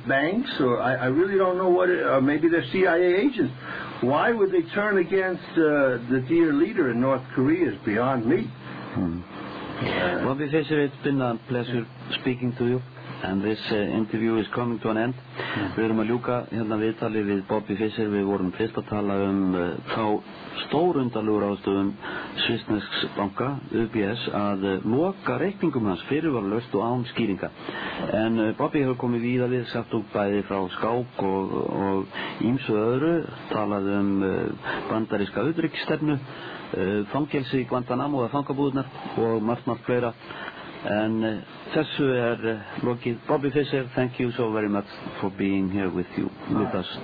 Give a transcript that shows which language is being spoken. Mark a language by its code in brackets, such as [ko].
[en] banks, or I really don't know what, or maybe they're CIA agents. Why would they turn against the dear leader in North Korea is beyond me. Well, Professor, it's been a pleasure speaking to you. And this interview is coming to an end. [is] Við erum að ljúka hérna viðtali við Bobby Fischer. Við vorum fyrst að tala þá stórundalugur ástöðum svissnesks banka, UBS, að loka reikningum hans fyrirvaralaust og án skýringa. En Bobby hefur komið víða við, sagt upp bæði frá skák og ýmsu öðru, talað bandaríska utanríkisstefnu, fangelsi í Guantanamo eða fangabúðurnar og margt fleira. [en] And Tessu Loki, Bobby Fischer, thank you so very much for being here with us.